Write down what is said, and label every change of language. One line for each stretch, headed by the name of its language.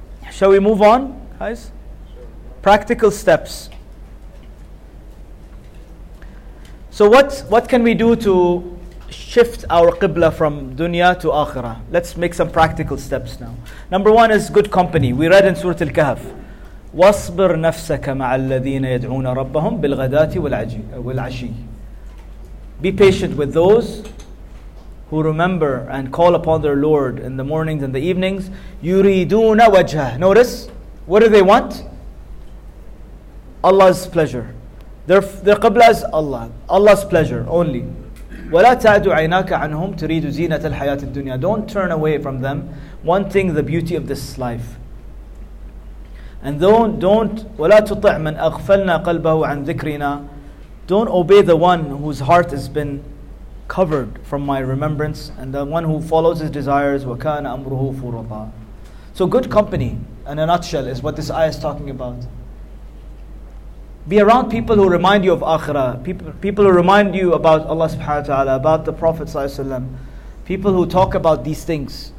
English: Shall we move on, guys? Practical steps. So what can we do to shift our qibla from dunya to akhirah? Let's make some practical steps now. Number one is good company. We read in Surah Al-Kahf,
Arabic: وَاصْبِرْ نَفْسَكَ مَعَ الَّذِينَ يَدْعُونَ رَبَّهُمْ بِالْغَدَاتِ وَالْعَشِيِّ.
English: Be patient with those who remember and call upon their Lord in the mornings and the evenings.
Arabic: يُرِيدُونَ وَجْهَهُ.
English: Notice, what do they want? Allah's pleasure. Their qibla is Allah. Allah's pleasure only.
Arabic: وَلَا تَعْدُ عَيْنَاكَ عَنْهُمْ تُرِيدُ زِينَةَ الْحَيَاةِ الدُّنْيَا.
English: Don't turn away from them wanting the beauty of this life. And don't
Arabic: وَلَا تُطِعْ مَنْ أَغْفَلْنَا قَلْبَهُ عَنْ ذِكْرِنَا.
English: Don't obey the one whose heart has been covered from my remembrance, and the one who follows his desires.
Arabic: وَكَانَ أَمْرُهُ فُرُطًا.
English: So good company, in a nutshell, is what this ayah is talking about. Be around people who remind you of akhirah, people who remind you about Allah subhanahu wa ta'ala, about the Prophet sallallahu alaihi wasallam, people who talk about these things.